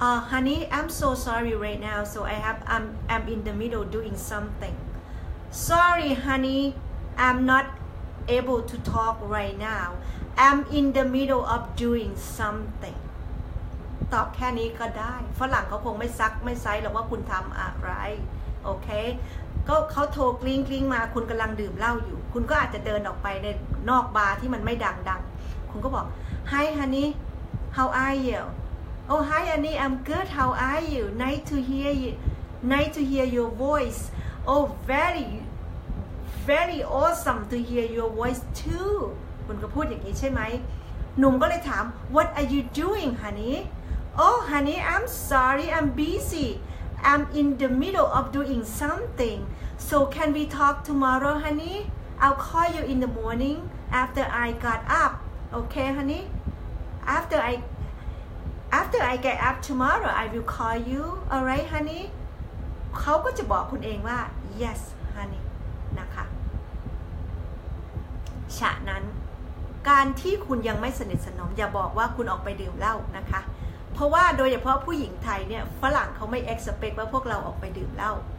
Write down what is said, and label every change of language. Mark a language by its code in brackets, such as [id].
[en] honey I'm so sorry right now so I have I'm in the middle doing something sorry honey I'm not able to talk right now I'm in the middle of doing something [th] ตอบแค่นี้ก็ได้ฝรั่งเขาคงไม่ซักไม่ไซส์หรอกว่าคุณทำอะไรโอเค ก็เขาโทรกริ๊งกริ๊งมาคุณกำลังดื่มเหล้าอยู่คุณก็อาจจะเดินออกไปในนอกบาร์ที่มันไม่ดังๆคุณก็บอก [en] hi honey how are youOh hi Annie, I'm good. How are you? Nice to hear your voice. Oh very, very awesome to hear your voice too. [th] คุณก็พูดอย่างนี้ใช่ไหมหนุ่มก็เลยถาม [en] What are you doing, honey? Oh honey, I'm sorry. I'm busy. I'm in the middle of doing something. So can we talk tomorrow, honey? I'll call you in the morning after I got up. Okay, honey? After I get up tomorrow, I will call you. All right, honey? [th] เขาก็จะบอกคุณเองว่า [en] Yes, honey. [th] นะคะฉะนั้นการที่คุณยังไม่สนิทสนมอย่าบอกว่าคุณออกไปดื่มเหล้านะคะเพราะว่าโดยเฉพาะผู้หญิงไทยเนี่ยฝรั่งเขาไม่ expect ว่าพวกเราออกไปดื่มเหล้า